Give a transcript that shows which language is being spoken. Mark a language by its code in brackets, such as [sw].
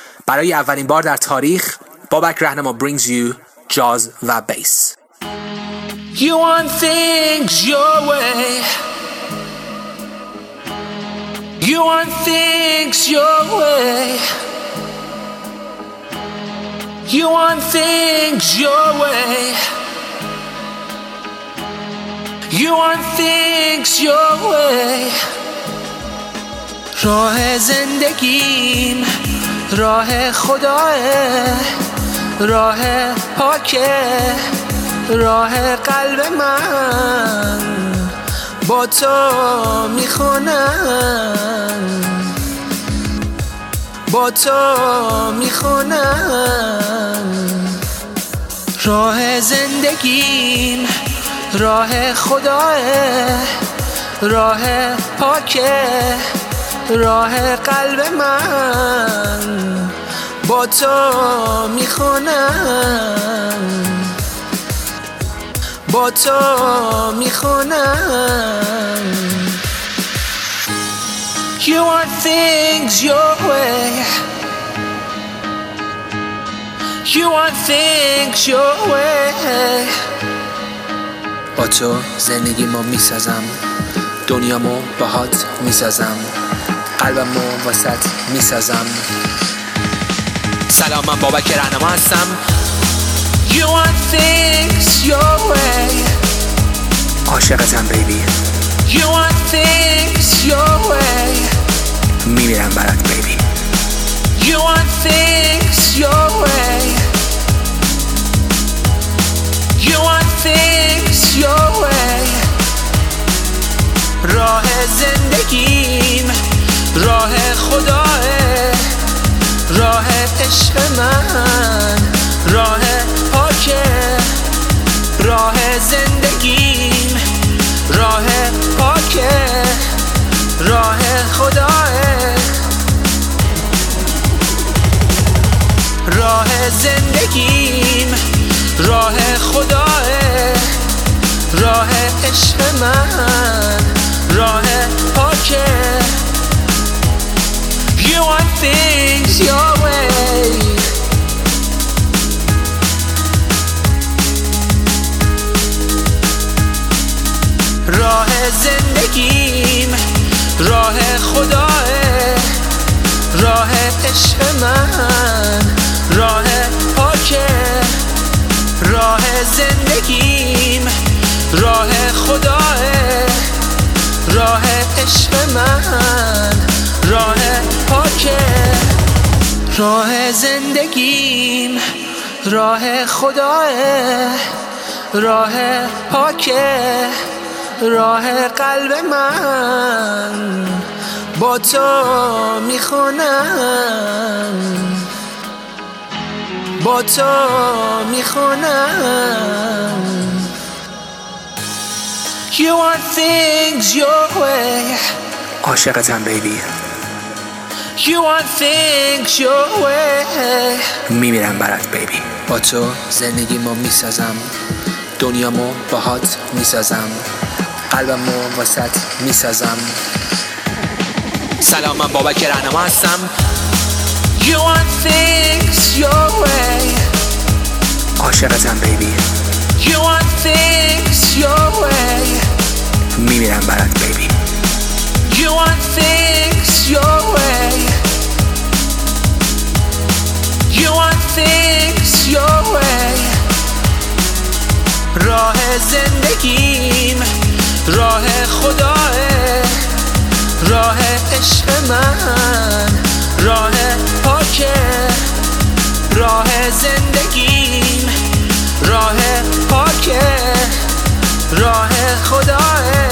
[fa] برای اولین بار در تاریخ بابک رهنما [en] brings you jazz [fa] و bass. [en] You want things your way. You want things your way. You want things your way. You want things your way. [fa] راه زندگیم راه خداه، راه پاکه، راه قلب من با تو میخونم، با تو میخونم. راه زندگیم راه خداه، راه پاکه، راه قلب من با تو میخونم، با تو میخونم. [en] You want things your way. You want things your way. [fa] با تو زندگی ما میسازم، دنیا ما باهات میسازم، قلبم رو وسط میسازم. سلام، من بابک رهنما هستم. [en] You want things your way. [fa] عاشقتم بیبی. [en] You want things your way. [fa] میمیرم برات بیبی. [en] You want things your way. You want things your way. [fa] راه زندگیم راه خداه، راه عشق من، راه پاکه، راه زندگیم، راه پاکه، راه خداه، راه زندگیم، راه خداه، راه عشق من، راه پاکه. [en] You want things your way. [fa] راه زندگیم راه خداه، راه عشق من، راه پاکه، راه زندگیم راه خداه، راه عشق من، راه پاکه. راه زندگیم راه خداه، راه پاکه، راه قلب من با تو میخونم، با تو میخونم. [en] You want things your way. [fa] عاشقتم بیبی. [en] You want things your way. [fa] میمیرم برات بیبی. با تو زندگی ما میسازم، دنیا ما باهات میسازم، قلبم ما وسط میسازم. سلام، من بابک رهنما هستم. [en] You want things your way. [fa] عاشقتم بیبی. [en] You want things your way. [fa] میمیرم برات بیبی. [en] You want things your way. You want things your way. [fa] راه زندگیم راه خداه، راه عشق من، راه پاکه، راه زندگیم راه پاکه، راه خداه،